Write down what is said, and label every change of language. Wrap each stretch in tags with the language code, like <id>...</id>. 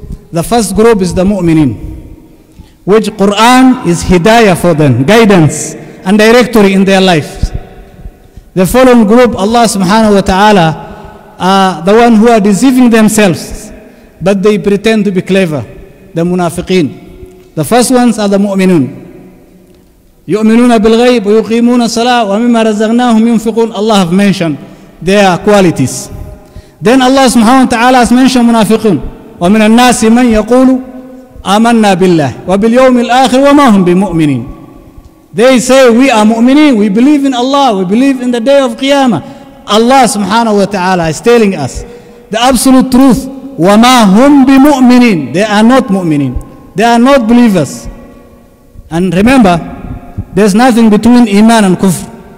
<en>The first group is the mu'minin, which Quran is hidayah for them, guidance and directory in their life. The following group, Allah subhanahu wa ta'ala, the one who are deceiving themselves, but they pretend to be clever, the munafiqeen. The first ones are the mu'minun.</en> <ar>يؤمنون بالغيب ويقيمون الصلاة ومما رزقناهم ينفقون.</ar> <en>Allah have mentioned their qualities. Then Allah subhanahu wa ta'ala has mentioned munafiqun.</en> <ar>ومن الناس من يقول آمنا بالله وباليوم الآخر وما هم بمؤمنين.</ar> <en>They say we are mu'minin, we believe in Allah, we believe in the day of Qiyamah. Allah subhanahu wa ta'ala is telling us the absolute truth.</en> <ar>وما هم بمؤمنين.</ar> <en>They are not mu'minin. They are not believers. And remember, there's nothing between iman and kufr.</en>